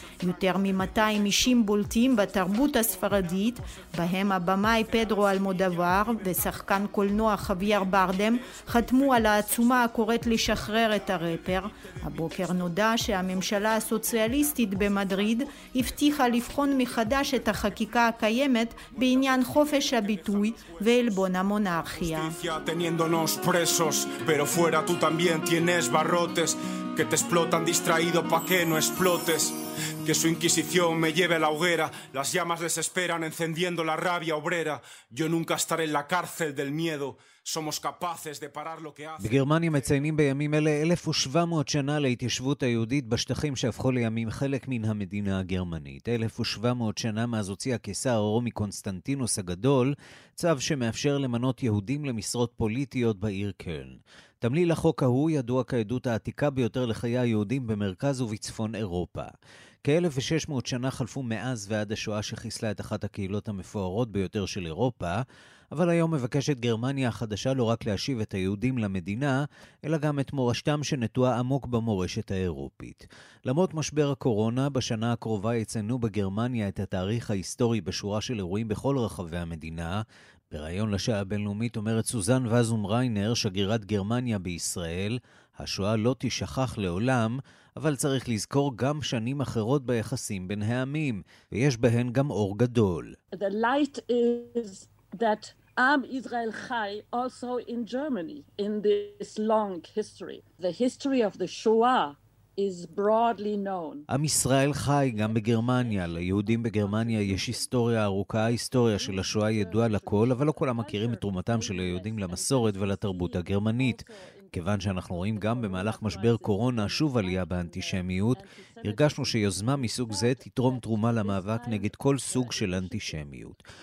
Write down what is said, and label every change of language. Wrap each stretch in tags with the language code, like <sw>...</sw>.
<he>יותר מ-200 אישים בולטים בתרבות הספרדית, בהם הבמאי פדרו אלמודוואר ושחקן קולנוע חביאר ברדם, חתמו על העצומה הקוראת לשחרר. את הרפר. הבוקר נודע שהממשלה הסוציאליסטית במדריד הבטיחה לבחון מחדש את החקיקה הקיימת בעניין חופש הביטוי ועלבון המונרכיה.</he> <es>teniéndonos presos, pero fuera tú también tienes barrotes que te explotan distraído pa que no explotes. Que su inquisición me lleve a la hoguera, las llamas les esperan encendiendo la rabia obrera. Yo nunca estaré en la cárcel del miedo. Somos capaces de parar lo que hace.</es> <he>בגרמניה מציינים בימים אלה 1,700 שנה להתיישבות היהודית בשטחים שהפכו לימים חלק מן המדינה הגרמנית. 1,700 שנה מאז הוציא הקיסר הרומי קונסטנטינוס הגדול צו שמאפשר למנות יהודים למשרות פוליטיות בעיר קלן. תמליל החוק ההוא ידוע כעדות העתיקה ביותר לחיי היהודים במרכז ובצפון אירופה. כ-1,600 שנה חלפו מאז ועד השואה שחיסלה את אחת הקהילות המפוארות ביותר של אירופה, אבל היום מבקשת גרמניה החדשה לא רק להשיב את היהודים למדינה, אלא גם את מורשתם שנטועה עמוק במורשת האירופית. למרות משבר הקורונה, בשנה הקרובה יציינו בגרמניה את התאריך ההיסטורי בשורה של אירועים בכל רחבי המדינה. בראיון לשעה הבינלאומית אומרת סוזן וזום ריינר, שגרירת גרמניה בישראל, השואה לא תשכח לעולם, אבל צריך לזכור גם שנים אחרות ביחסים בין העמים, ויש בהן גם אור גדול.</he> <en>The light is that</en> <he>Am Israel Chai</he> <en>also in Germany in this long history. The history of the Shoah is broadly known.</en> <he>עם ישראל חי גם בגרמניה. ליהודים בגרמניה יש היסטוריה ארוכה. ההיסטוריה של השואה ידועה לכל, אבל לא כולם מכירים את תרומתם של היהודים למסורת ולתרבות הגרמנית. כיוון שאנחנו רואים גם במהלך משבר קורונה שוב עלייה באנטישמיות, הרגשנו שיוזמה מסוג זה תתרום תרומה למאבק נגד כל סוג של אנטישמיות.</he>